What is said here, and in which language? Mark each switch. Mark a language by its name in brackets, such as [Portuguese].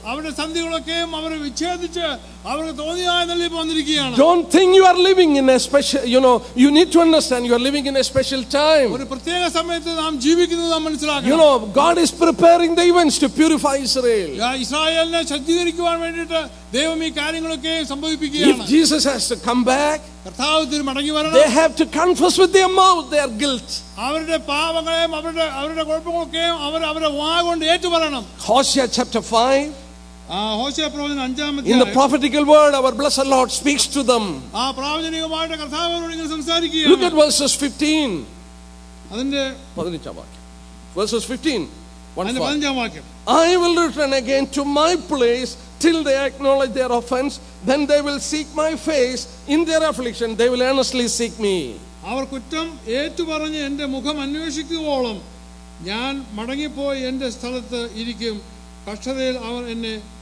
[Malayalam] അവരുടെ സന്ധികളൊക്കെ അവർ വിച്ഛേദിച്ച് അവർക്ക് തോന്നിയായ നിലയിൽ വന്നിരിക്കുകയാണ്. [English] Don't think you are living in a special, you know, you need to understand you are living in a special time. [Malayalam] പ്രത്യേക സമയത്ത് നാം ജീവിക്കുന്നത് നാം മനസ്സിലാക്കണം. [English] You know, God is preparing the events to purify Israel. [Malayalam] ഇസ്രായേലിനെ ശുദ്ധീകരിക്കാൻ വേണ്ടിയിട്ട് ദൈവം ഈ കാര്യങ്ങളൊക്കെ സംഭവിപ്പിക്കുകയാണ്. [English] If Jesus has to come back, [Malayalam] കർത്താവ് തിരി മടങ്ങി വരണം. [English] They have to confess with their mouth their guilt. [Malayalam] അവരുടെ പാപങ്ങളെയും അവരുടെ കുഴപ്പങ്ങളൊക്കെ അവരുടെ വായ കൊണ്ട് ഏറ്റുപറയണം. [English] Hosea chapter 5. [Malayalam] ഹോശേയ പ്രവചനം 5-ാം അധ്യായം. [English] In the prophetical word our blessed Lord speaks to them. [Malayalam] ആ പ്രവചനികമായിട്ട് കർത്താവ് അവരോട് ഇങ്ങനെ സംസാരിക്കുകയാണ്. [English] Look at verses 15. [Malayalam] അതിന്റെ 15-ാം വാക്യം. [English] Verses 15. [Malayalam] അതിന്റെ 15-ാം വാക്യം. [English] I will return again to my place till they acknowledge their offense, then they will seek my face in their affliction, they will earnestly seek me. [Malayalam] അവർ കുറ്റം ഏറ്റുപറഞ്ഞു എൻ്റെ മുഖം അന്വേഷിക്കുവോളം ഞാൻ മടങ്ങിപ്പോയി എൻ്റെ സ്ഥലത്ത് ഇരിക്കും. കഷ്ടതയിൽ അവർ എന്നെ